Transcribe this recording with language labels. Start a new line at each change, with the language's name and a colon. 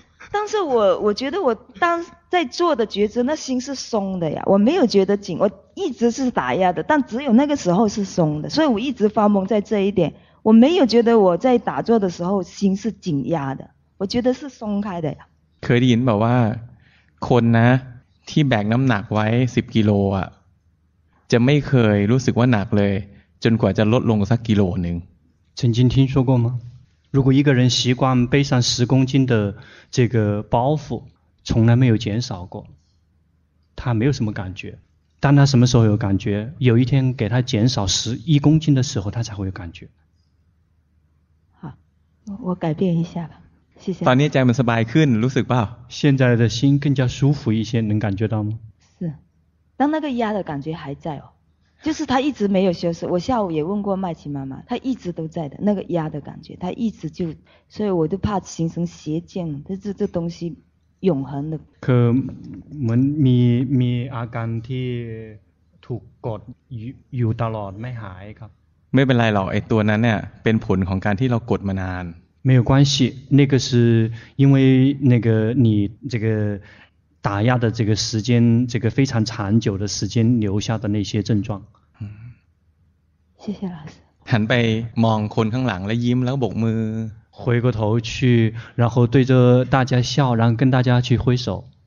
Chinese: 但是我觉得我当在做的觉知，那心是松的呀，我没有觉得紧，我一直是打压的，但只有那个时候是松的，所以我一直发懵在这一点，我没有觉得我在打坐的时候心是紧压的，我觉得是松开的呀。可以
Thai: บอกว่าคนนะที่แบกน้ำหนักไว้10กิโลอ่ะจะไม่เคยรู้สึกว่าหนักเลยจนกว่าจะลดลงสักกิโลนึง。
Chinese: 曾经听说过吗？如果一个人习惯背上十公斤的这个包袱，从来没有减少过，他没有什么感觉。当他什么时候有感觉？有一天给他减少11公斤的时候，他才会有感觉。好，我改变一下吧，谢谢。
Thai: ตอนนี้ใจมันสบายขึ้น，รู้สึกเปล่า？
Chinese: 现在的心更加舒服一些，能感觉到吗？是，但那个压的感觉还在哦，就是他一直没有休息。我下午也问过麦琪妈妈，他一直都在的，那个压的感觉，他一直就，所以我就怕形成邪见，这东西。永恒的
Thai: คือมันมีอาการที่ถูกกดอยู่ตลอดไม่หายครับ ไม่เป็นไรหรอกไอ้ตัวนั้นเนี่ยเป็นผลของการที่เรากดมานาน
Chinese: 没有关系那个是因为那个你这个打压的这个时间这个非常长久的时间留下的那些症状谢谢老师
Thai: หันไปมองคนข้างหลังแล้วยิ้มแล้วโบกมือ
Chinese: 回过头去然后对着大家笑然后跟大家去挥手